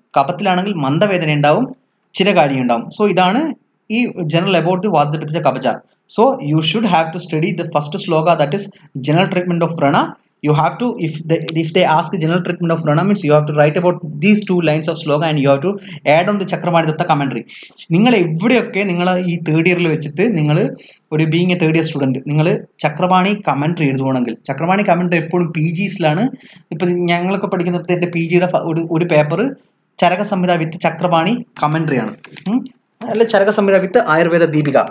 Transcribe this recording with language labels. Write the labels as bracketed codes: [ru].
[ml] കഫത്തിലാണെങ്കിൽ മന്ദവേദന ഉണ്ടാവും, ചിരകാരി ഉണ്ടാവും. സോ ഇതാണ് ഈ general about the വാതജ പിത്തജ കഫജ. [en] So you should have to study the first shloka, that is general treatment of vrana. You have to, if they ask the general treatment of Vrana, means you have to write about these two lines of sloka and you have to add on the Chakramanidatta commentary. [ml] നിങ്ങളെ എവിടെയൊക്കെ നിങ്ങളെ ഈ third ഇയറിൽ വെച്ചിട്ട് നിങ്ങൾ ഒരു being A third year student നിങ്ങൾ Chakravani commentary എഴുതുകയാണെങ്കിൽ, ചക്രവാണി കമൻട്രി എപ്പോഴും പി ജിസിലാണ്. ഇപ്പം ഞങ്ങളൊക്കെ പഠിക്കുന്ന അടുത്ത് പി ജിയുടെ ഒരു പേപ്പർ ചരക സംഹിത വിത്ത് ചക്രവാണി കമൻട്രിയാണ്, അല്ല ചരക സംഹിത വിത്ത് ആയുർവേദ ദീപിക.